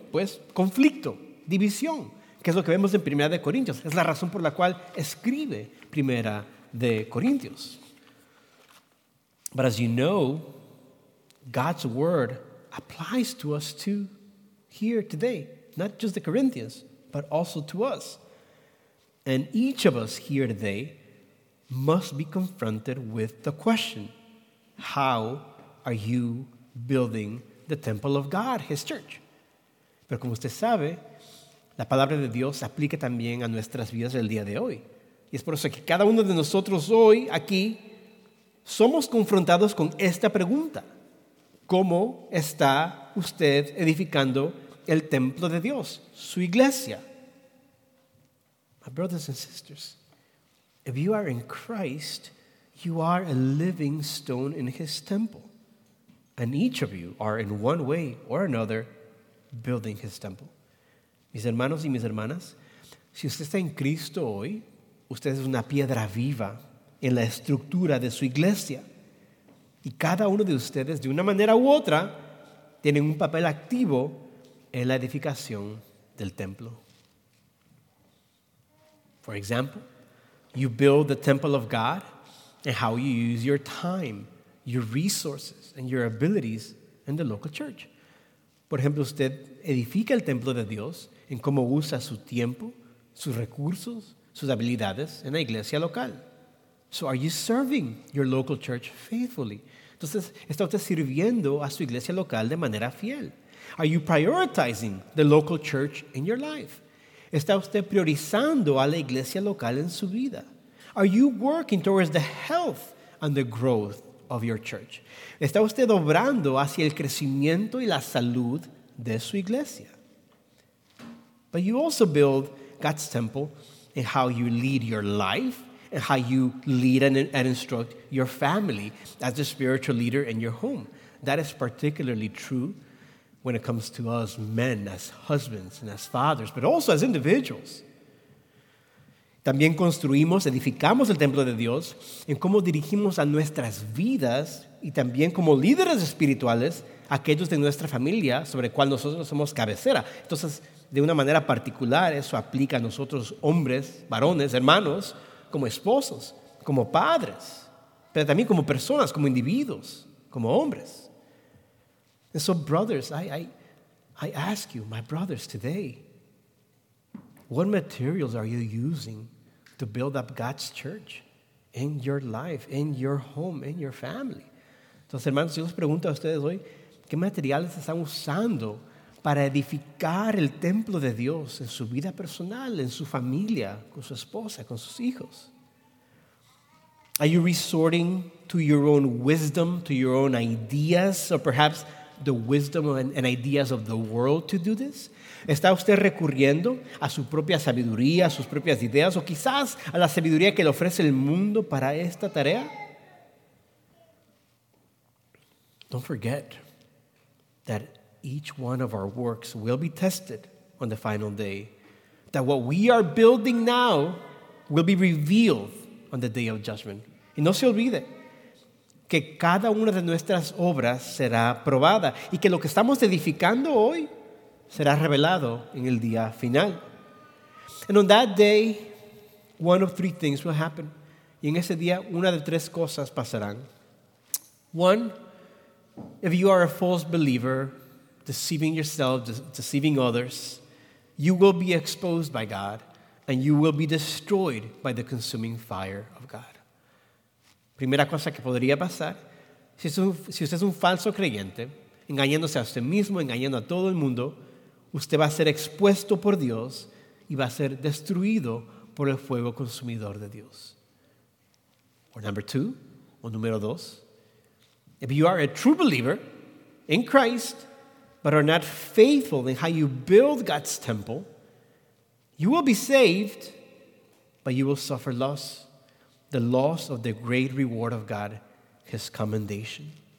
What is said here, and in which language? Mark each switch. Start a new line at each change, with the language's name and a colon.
Spanish: Pues conflicto, división, que es lo que vemos en Primera de Corintios. Es la razón por la cual escribe Primera de Corintios.
English: But as you know, God's word applies to us too, here today. Not just the Corinthians, but also to us. And each of us here today must be confronted with the question, how are you building the temple of God, his church?
Spanish: Pero como usted sabe, la palabra de Dios se aplica también a nuestras vidas el día de hoy. Y es por eso que cada uno de nosotros hoy, aquí, somos confrontados con esta pregunta. ¿Cómo está usted edificando el templo de Dios, su iglesia?
English: My brothers and sisters, if you are in Christ, you are a living stone in his temple. And each of you are in one way or another building his temple.
Spanish: Mis hermanos y mis hermanas, si usted está en Cristo hoy, usted es una piedra viva en la estructura de su iglesia. Y cada uno de ustedes, de una manera u otra, tienen un papel activo en la edificación del templo.
English: For example, you build the temple of God and how you use your time, your resources, and your abilities in the local church.
Spanish: Por ejemplo, usted edifica el templo de Dios en cómo usa su tiempo, sus recursos, sus habilidades en la iglesia local.
English: So are you serving your local church faithfully?
Spanish: Entonces, ¿está usted sirviendo a su iglesia local de manera fiel?
English: Are you prioritizing the local church in your life?
Spanish: ¿Está usted priorizando a la iglesia local en su vida?
English: Are you working towards the health and the growth of your church?
Spanish: ¿Está usted obrando hacia el crecimiento y la salud de su iglesia?
English: But you also build God's temple in how you lead your life and how you lead and instruct your family as the spiritual leader in your home. That is particularly true when it comes to us men as husbands and as fathers, but also as individuals.
Spanish: También construimos, edificamos el templo de Dios en cómo dirigimos a nuestras vidas y también como líderes espirituales aquellos de nuestra familia sobre cual nosotros somos cabecera. Entonces, de una manera particular, eso aplica a nosotros hombres, varones, hermanos, como esposos, como padres, pero también como personas, como individuos, como hombres.
English: And so, brothers, I ask you, my brothers, today, what materials are you using to build up God's church in your life, in your home, in your family?
Spanish: Entonces, hermanos, yo les pregunto a ustedes hoy, ¿qué materiales están usando para edificar el templo de Dios en su vida personal, en su familia, con su esposa, con sus hijos?
English: Are you resorting to your own wisdom, to your own ideas, or perhaps the wisdom and ideas of the world to do this?
Spanish: ¿Está usted recurriendo a su propia sabiduría, a sus propias ideas, o quizás a la sabiduría que le ofrece el mundo para esta tarea?
English: Don't forget that each one of our works will be tested on the final day, that what we are building now will be revealed on the day of judgment.
Spanish: Y no se olvide que cada una de nuestras obras será probada y que lo que estamos edificando hoy será revelado en el día final.
English: And on that day, one of three things will happen.
Spanish: Y en ese día, una de tres cosas pasarán.
English: One, if you are a false believer, deceiving yourself, deceiving others, you will be exposed by God, and you will be destroyed by the consuming fire of God.
Spanish: Primera cosa que podría pasar, si usted es un falso creyente, engañándose a usted mismo, engañando a todo el mundo, usted va a ser expuesto por Dios y va a ser destruido por el fuego consumidor de Dios.
English: Or number two,
Spanish: o número dos,
English: if you are a true believer in Christ, but are not faithful in how you build God's temple, you will be saved, but you will suffer loss, the loss of the great reward of God, his commendation.